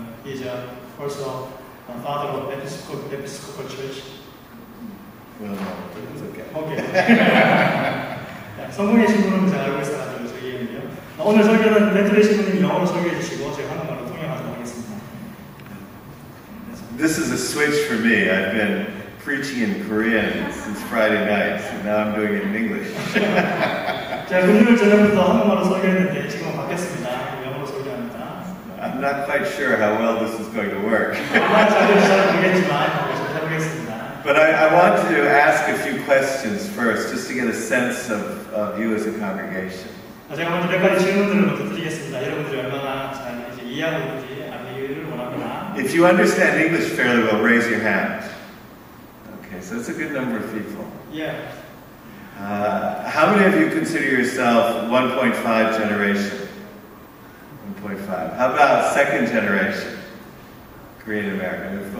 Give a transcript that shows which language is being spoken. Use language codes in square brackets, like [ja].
[en] He is also the father of Episcopal Church. Well, no, it's okay. Okay. [ko] 성공의 신부는 잘 알고 있어가지고 저희에는요. 오늘 설교는 벤트웨이 신부님 영어로 설교해 주시고 제가 한국말로 통역하도록 하겠습니다. [en] This is a switch for me. I've been preaching in Korean since Friday night, so now I'm doing it in English. [ko] 제가 금요일 저녁부터 한국말로 설교했는데 지금 바뀌었습니다. 영어로 설교합니다. [en] I'm not quite sure how well this is going to work. [ko] 잘 모르겠지만 해보겠습니다. [en] But I want to ask a few questions first, just to get a sense of you as a congregation. [ko] 제가 먼저 몇 가지 질문들을 먼저 드리겠습니다. 여러분들이 얼마나 잘 이제 이해하고 있는지 알기를 원합니다. [en] If you understand English fairly well, raise your hand. Okay, so that's a good number of people. Yeah. How many of you consider yourself 1.5 generation? 1.5. How about second generation? Korean American.